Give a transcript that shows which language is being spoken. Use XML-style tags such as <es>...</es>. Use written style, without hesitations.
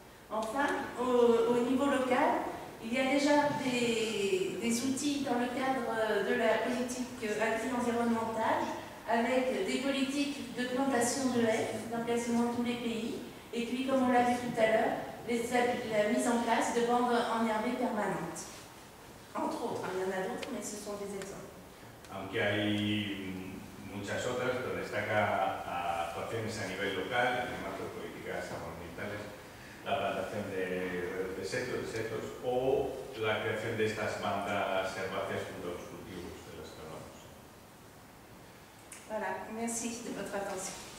<fr>Enfin, au niveau local, il y a déjà des outils dans le cadre de la politique active environnementale avec des politiques de plantation de haies dans quasiment tous les pays. Et puis, comme on l'a vu tout à l'heure, la mise en place de bandes enherbées permanentes. Entre autres, il y en a d'autres, mais ce sont des exemples.</fr> <es>Aunque hay muchas otras, pero destaca actuaciones a nivel local, además de políticas ambientales. La plantación de setos o la creación de estas bandas herbáceas junto a los cultivos de los que hablamos.</es> <fr>Voilà, merci de votre attention.</fr>